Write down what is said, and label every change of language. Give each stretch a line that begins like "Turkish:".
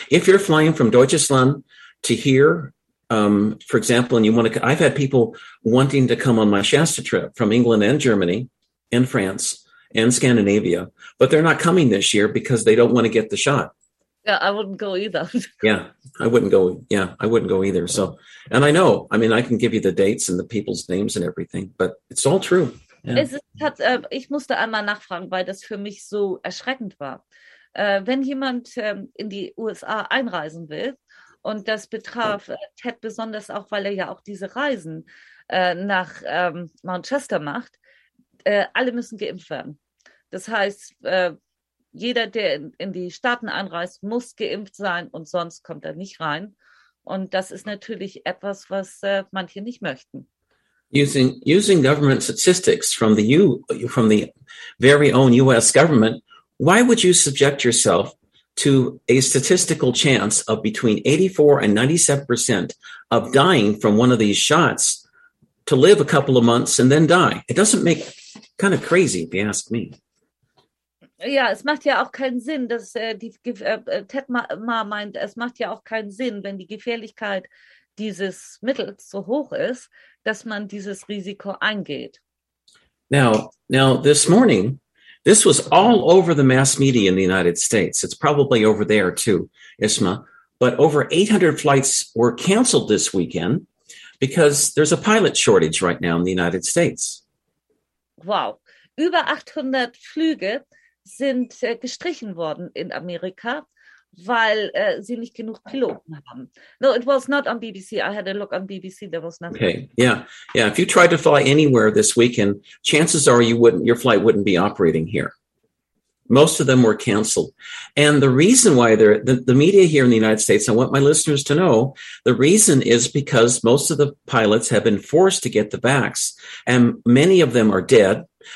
English: If you're flying from Deutschland to here, for example, and you want to, I've had people wanting to come on my Shasta trip from England and Germany and France and Scandinavia, but they're not coming this year because they don't want to get the shot. Yeah, I wouldn't go either. Yeah, I wouldn't go either. So, and I know, I mean, I can give you the dates and the people's names and everything, but it's all true. Yeah.
German: Ich musste einmal nachfragen, weil das für mich so erschreckend war. Wenn jemand in die USA einreisen will, und das betraf Ted besonders auch, weil er ja auch diese Reisen nach Mount Shasta macht, alle müssen geimpft werden. Das heißt, jeder, der in die Staaten einreist, muss geimpft sein und sonst kommt er nicht rein. Und das ist natürlich etwas, was manche nicht möchten.
English: Using government statistics from the very own U.S. government, why would you subject yourself to a statistical chance of between 84 and 97% of dying from one of these shots to live a couple of months and then die? It doesn't make kind of crazy, if you ask me.
German: Ja, es macht ja auch keinen Sinn, dass Ted Ma meint, es macht ja auch keinen Sinn, wenn die Gefährlichkeit dieses Mittels so hoch ist, dass man dieses Risiko eingeht.
English: Now this morning, this was all over the mass media in the United States. It's probably over there too, Isma. But over 800 flights were canceled this weekend because there's a pilot shortage right now in the United States.
German: Wow, über 800 Flüge sind gestrichen worden in Amerika, weil sie nicht genug Piloten haben.
English: No, it was not on BBC. I had a look on BBC. There was nothing. Okay, yeah. Yeah, if you tried to fly anywhere this weekend, chances are your flight wouldn't be operating here. Most of them were canceled. And the reason why the media here in the United States, I want my listeners to know, the reason is because most of the pilots have been forced to get the vax, and many of them are dead.